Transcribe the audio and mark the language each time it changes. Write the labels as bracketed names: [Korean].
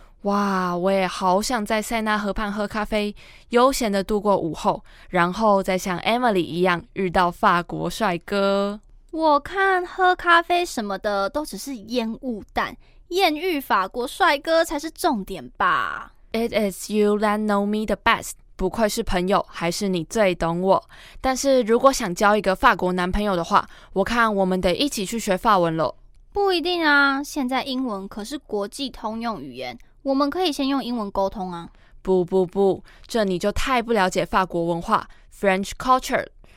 [Chinese] 哇，我也好想在塞纳河畔喝咖啡，悠闲的度过午后，然后再像 Emily 一样遇到法国帅哥。我看喝咖啡什么的都只是烟雾弹，艳遇法国帅哥才是重点吧。 [English] It is you that know me the best， [Chinese] 不愧是朋友，还是你最懂我。但是如果想交一个法国男朋友的话，我看我们得一起去学法文了。不一定啊，现在英文可是国际通用语言，我们可以先用英文沟通啊。不不不，这你就太不了解法国文化 French culture。